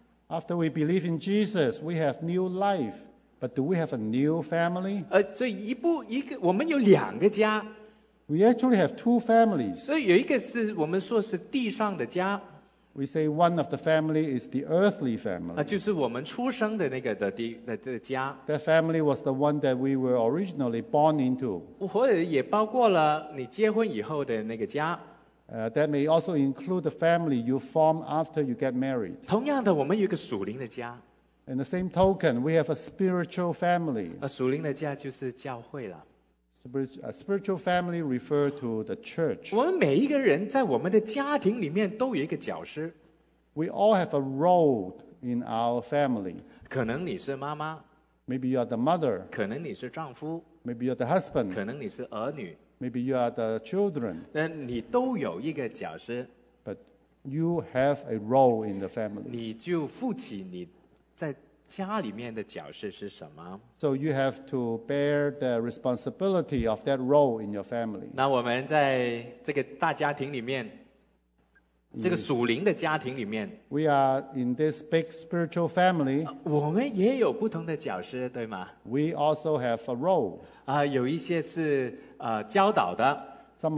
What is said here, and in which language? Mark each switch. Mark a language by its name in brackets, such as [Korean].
[English] After we believe in Jesus, we have new life. But do we have a new family? [Chinese] 这一个我们有两个家。 [English] We actually have two families. [Chinese] 有一个是我们说是地上的家。 [English] We say one of the family is the earthly family. [Chinese] 就是我们出生的那个的家。 [English] That family was the one that we were originally born into. [Chinese] 或者也包括了你结婚以后的那个家。 [English] That may also include the family you form after you get married. [Chinese] 同样的，我们有一个属灵的家。 [English] In the same token, we have a spiritual family. [Chinese] 属灵的家就是教会了。 [English] Spiritual family refer to the church. [Chinese] 我们每一个人在我们的家庭里面都有一个角色。 [English] We all have a role in our family. [Chinese] 可能你是妈妈。 [English] Maybe you are the mother. [Chinese] 可能你是丈夫。 [English] Maybe you are the husband. [Chinese] 可能你是儿女。 [English] Maybe you are the children. [Chinese] 那你都有一个角色。 [English] But you have a role in the family. [Chinese] 你就负起你在家里面的角色是什么。 [English] So you have to bear the responsibility of that role in your family. [Chinese] 那我们在这个大家庭里面，这个属灵的家庭里面。 [English] We are in this big spiritual family. [Chinese] 我们也有不同的角色，对吗？ [English] We also have a role. [Chinese] 有一些是教导的。Some